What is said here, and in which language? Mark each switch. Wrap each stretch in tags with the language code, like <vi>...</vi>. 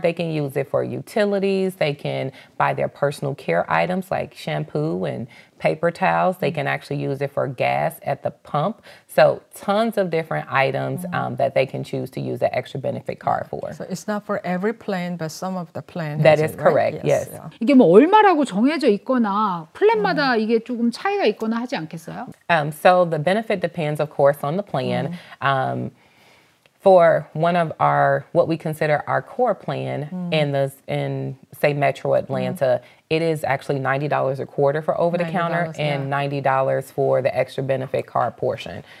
<en>They can use it for utilities. They can buy their personal care items like shampoo and paper towels. They can actually use it for gas at the pump. So tons of different items that they can choose to use the extra benefit card for. So it's not for every plan, but some of the plans. That is correct. Right? Yes. Yes.</en> <ko>Yeah. 이게 뭐 얼마라고 정해져 있거나 플랜마다 이게 조금 차이가 있거나 하지 않겠어요?</ko> <en>So the benefit depends, of course, on the plan. For one of our, what we consider our core plan in say Metro Atlanta, it is actually $90 a quarter for over-the-counter and $90 for the extra benefit card portion.</en>